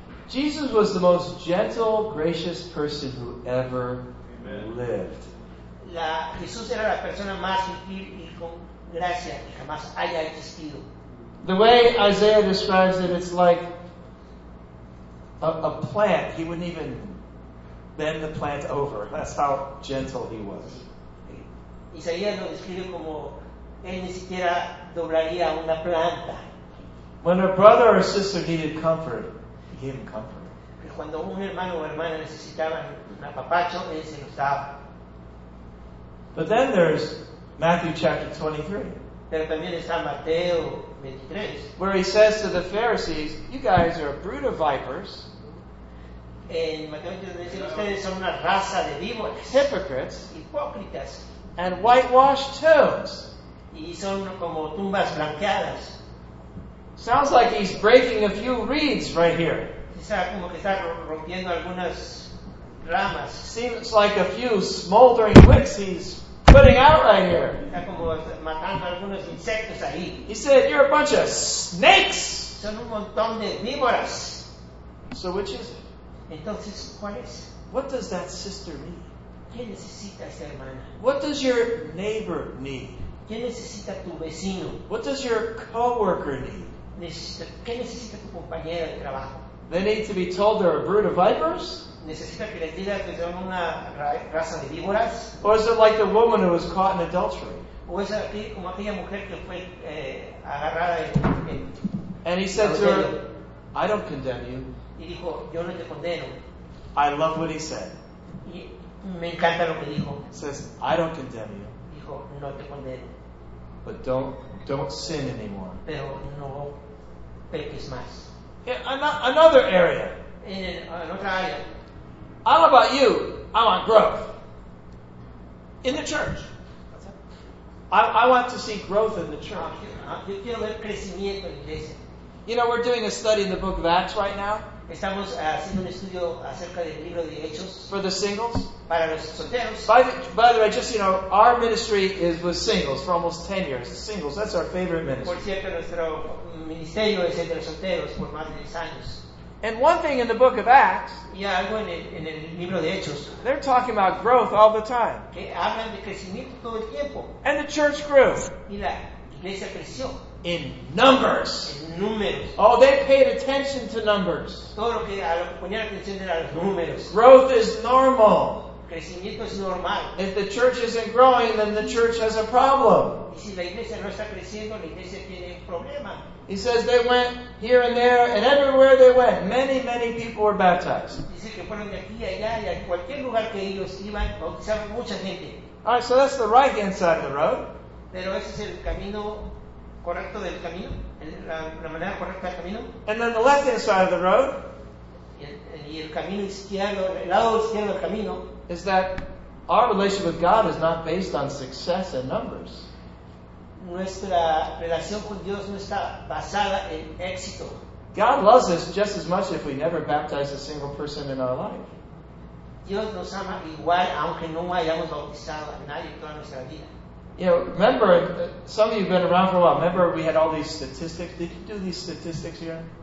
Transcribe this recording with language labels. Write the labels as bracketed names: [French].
[English] Jesus was the most gentle, gracious person who ever lived. [Spanish] Jesús era la persona más gentil y con gracia que jamás haya existido. [English] The way Isaiah describes it, it's like a plant. He wouldn't even bend the plant over. That's how gentle he was. [Spanish] Isaías lo describe como él ni siquiera doblaría una planta. [English] When a brother or sister needed comfort, he gave him comfort. [Spanish] Cuando un hermano o hermana necesitaban un apapacho, él se los daba. [English] But then there's Matthew chapter 23. [Spanish] Pero también está Mateo 23. [English] Where he says to the Pharisees, "You guys are a brood of vipers." [Spanish] En Mateo 23, ustedes son una raza de víboras. [English] Hypocrites. [Spanish] Hipócritas. [English] And whitewashed tombs. [Spanish] Y son como tumbas blanqueadas. [English] Sounds like he's breaking a few reeds right here. [Spanish] Está como que está rompiendo algunas ramas. [English] Seems like a few smoldering wicks he's putting out right here. [Spanish] Está como matando algunos insectos ahí. [English] He said, "You're a bunch of snakes." [Spanish] Son un montón de víboras. [English] So which is it? [Spanish] Entonces, ¿cuál es? [English] What does that sister need? [Spanish] ¿Qué necesita esa hermana? [English] What does your neighbor need? [Spanish] ¿Qué necesita tu vecino? [English] What does your coworker need? [Spanish] ¿Qué necesita tu compañero de trabajo? [English] They need to be told they're a brood of vipers? [Spanish] ¿Necesita que les diga que son una raza de víboras? [English] Or is it like the woman who was caught in adultery? [Spanish] ¿O es aquí, como aquella mujer que fue agarrada en [English] And he said to her, "I don't condemn you." [Spanish] Y dijo, yo no te condeno. [English] I love what he said. [Spanish] Y me encanta lo que dijo. [English] He says, "I don't condemn you." [Spanish] Dijo, no te condeno. [English] But don't sin anymore. [Spanish] Pero no peques más. [English] Yeah, another area. [Spanish] En otra área. [English] I don't know about you, I want growth. In the church. I want to see growth in the church. [Spanish] Yo quiero ver crecimiento en la iglesia. [English] You know, we're doing a study in the book of Acts right now. [Spanish] Estamos haciendo un estudio acerca del libro de Hechos. [English] For the singles. [Spanish] Para los solteros. [English] By the way, just, you know, our ministry is with singles for almost 10 years. Singles, that's our favorite ministry. [Spanish] Por cierto, nuestro ministerio es el de los solteros por más de 10 años. [English] And one thing in the book of Acts. [Spanish] Y algo en el libro de Hechos. [English] They're talking about growth all the time. [Spanish] Que hablan de crecimiento todo el tiempo. [English] And the church grew. [Spanish] Y la iglesia creció. [English] In numbers. [Spanish] En números. [English] Oh, they paid attention to numbers. [Spanish] Todo lo que ponían atención era los números. [English] Growth is normal. [Spanish] Crecimiento es normal. [English] If the church isn't growing, then the church has a problem. [Spanish] Y si la iglesia no está creciendo, la iglesia tiene un problema. [English] He says they went here and there, and everywhere they went, many, many people were baptized. [Spanish] Dice que fueron de aquí a allá, y a cualquier lugar que ellos iban, bautizaban mucha gente. [English] All right, so that's the right-hand side of the road. [Spanish] Pero ese es el camino correcto del camino, la manera correcta del camino. [English] And then the left-hand side of the road. [Spanish] Y el camino izquierdo, el lado izquierdo del camino. [English] Is that our relationship with God is not based on success and numbers. [Spanish] Nuestra relación con Dios no está basada en éxito. [English] God loves us just as much if we never baptize a single person in our life. [Spanish] Dios nos ama igual aunque no hayamos bautizado a nadie toda nuestra vida. [English] You know, remember, some of you have been around for a while. Remember we had all these statistics. Did you do these statistics here?